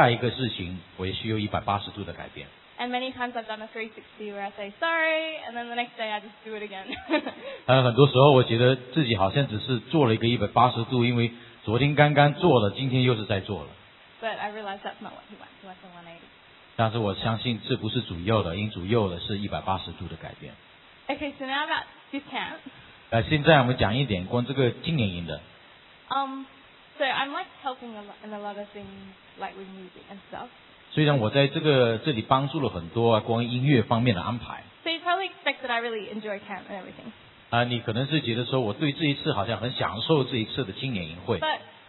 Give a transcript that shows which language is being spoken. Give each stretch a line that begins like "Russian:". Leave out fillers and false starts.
Chinese: 他就好像让我看见一件事情，我愿意180度改变了，那么他就让我看见下一个事情，我也需要180度的改变。
English: And many times I've done a 360 where I say sorry, and then the next day I just do it again.
Chinese: 很多时候我觉得自己好像只是做了一个180度，因为 昨天刚刚做了，今天又是在做了。But
English: I realize that's not what he wants. He wants 180.
Chinese: 但是我相信这不是主要的，因主要的是180度的改变。Okay,
English: so now about this camp.
Chinese: 现在我们讲一点关这个青年营的。So
English: I'm like helping in a lot of things, like with music and stuff.
Chinese: 虽然我在这里帮助了很多关于音乐方面的安排。So
English: you probably expect that I really enjoy camp and everything.
Chinese: 你可能是觉得说我对这一次好像很享受这一次的青年营会。But